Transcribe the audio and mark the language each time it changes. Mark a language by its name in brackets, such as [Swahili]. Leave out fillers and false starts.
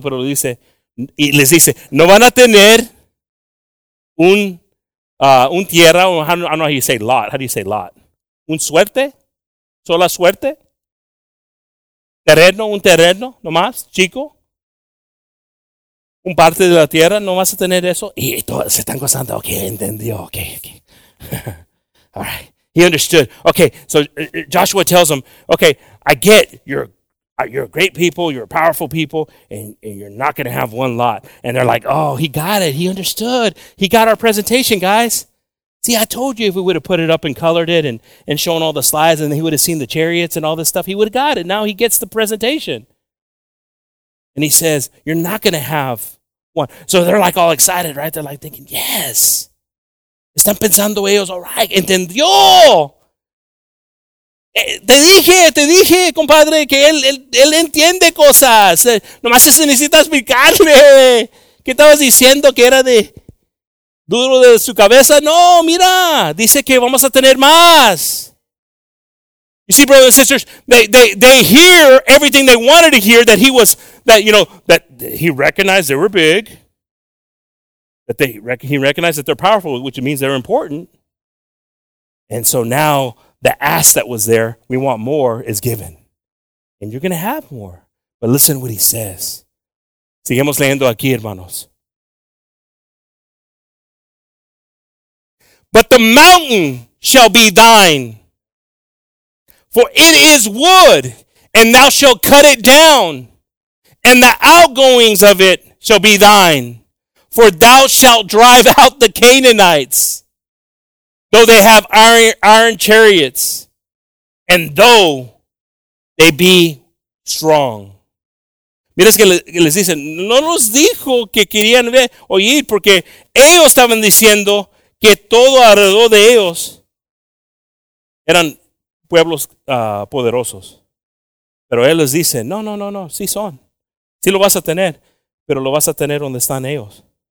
[Spanish] Pero lo dice, y les dice, no van a tener un tierra, un, [English] how do you say lot? [Spanish] ¿Un suerte? ¿Sola suerte? ¿Terreno? ¿Un terreno nomás, chico? ¿Un parte de la tierra? ¿No vas a tener eso? Y todos se están gozando, ok, entendió, ok. [English] All right. He understood. Okay, so Joshua tells him, okay, I get you're great people, you're powerful people, and you're not going to have one lot. And they're like, oh, he got it. He understood. He got our presentation, guys. See, I told you if we would have put it up and colored it and shown all the slides and he would have seen the chariots and all this stuff, he would have got it. Now he gets the presentation. And he says, you're not going to have one. So they're like all excited, right? They're like thinking, yes. [Spanish] Están pensando ellos, [English] all right, [Spanish] entendió. Te dije, compadre, que él entiende cosas. Nomás se necesita explicarle. ¿Qué estabas diciendo? ¿Que era de duro de su cabeza? No, mira, dice que vamos a tener más. [English] You see, brothers and sisters, they hear everything they wanted to hear, that he recognized they were big. That he recognized that they're powerful, which means they're important. And so now the ask that was there, we want more, is given. And you're going to have more. But listen to what he says. [Spanish] Sigamos leyendo aquí, hermanos. [English] But the mountain shall be thine, for it is wood, and thou shalt cut it down, and the outgoings of it shall be thine. For thou shalt drive out the Canaanites, though they have iron chariots, and though they be strong. [Spanish] Mira que les dicen, no nos dijo que querían ver, oír, porque ellos estaban diciendo que todo alrededor de ellos eran pueblos poderosos. Pero él les dice, no, sí son. Sí lo vas a tener, pero lo vas a tener donde están ellos.